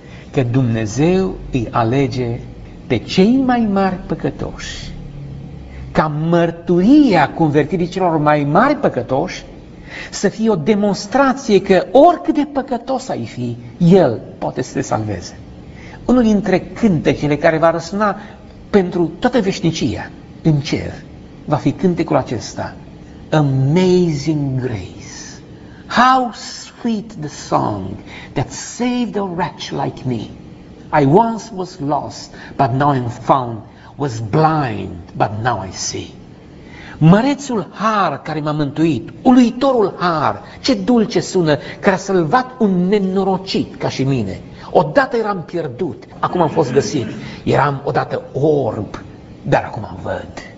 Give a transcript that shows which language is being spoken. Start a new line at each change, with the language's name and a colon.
Romanian: Că Dumnezeu îi alege pe cei mai mari păcătoși ca mărturia convertirii celor mai mari păcătoși să fie o demonstrație că oricât de păcătos ai fi, El poate să te salveze. Unul dintre cântecele care va răsuna pentru toată veșnicia în cer va fi cântecul acesta: Amazing Grace.
English: How sweet the song that saved a wretch like me. I once was lost, but now I'm found. Was blind, but now I see.
Romanian: Mărețul har care m-a mântuit, uluitorul har, ce dulce sună, care a salvat un nenorocit ca și mine. Odată eram pierdut, acum am fost găsit. Eram odată orb, dar acum văd.